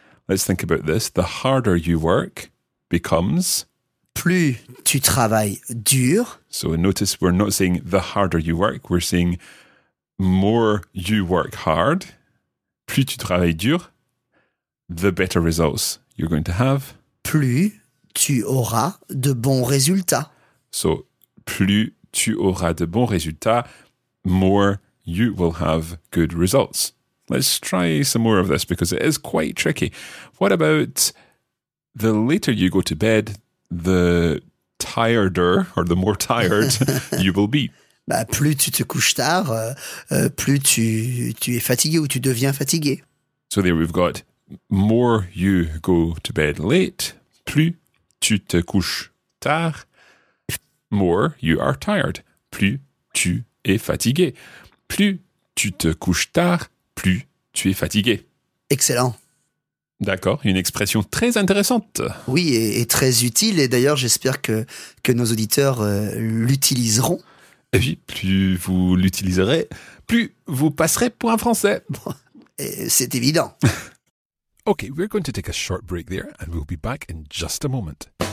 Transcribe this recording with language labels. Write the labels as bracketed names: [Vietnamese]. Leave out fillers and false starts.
[English] Let's think about this. The harder you work... becomes... [French] plus tu travailles dur. [English] So notice we're not saying the harder you work, we're saying more you work hard, [French] plus tu travailles dur, [English] the better results you're going to have. [French] Plus tu auras de bons résultats. [English] So [French] plus tu auras de bons résultats, [English] more you will have good results. Let's try some more of this because it is quite tricky. What about... the later you go to bed, the tireder, or the more tired, you will be. [French] Bah, plus tu te couches tard, plus tu es fatigué ou tu deviens fatigué. [English] So there we've got, more you go to bed late, [French] plus tu te couches tard, [English] more you are tired, [French] plus tu es fatigué. Plus tu te couches tard, plus tu es fatigué. [English] Excellent. [French] D'accord, une expression très intéressante. Oui, et très utile, et d'ailleurs j'espère que nos auditeurs l'utiliseront. Et puis, plus vous l'utiliserez, plus vous passerez pour un français. Et c'est évident. [English] Ok, we're going to take a short break there, and we'll be back in just a moment.